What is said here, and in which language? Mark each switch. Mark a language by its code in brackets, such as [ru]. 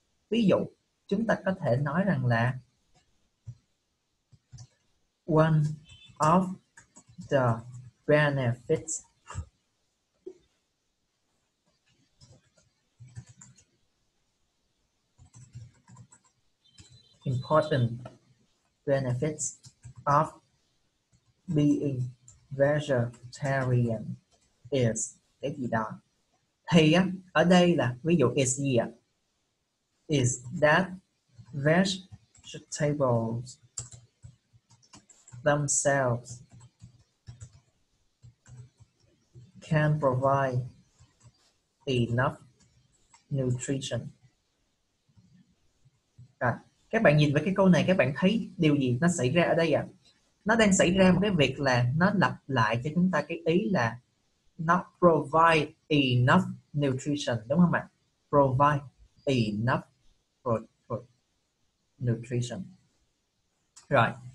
[vi] Ví dụ, chúng ta có thể nói rằng là [en] one of the benefits important benefits of being vegetarian is [vi] cái gì đó. Thì ở đây là ví dụ is gì ạ? [en] Is that vegetables themselves can provide enough nutrition. [vi] À, các bạn nhìn với cái câu này, các bạn thấy điều gì nó xảy ra ở đây ạ? À? Nó đang xảy ra một cái việc là nó lặp lại cho chúng ta cái ý là nó [en] provide enough nutrition, [vi] đúng không ạ? [en] Provide enough nutrition. [vi] Rồi.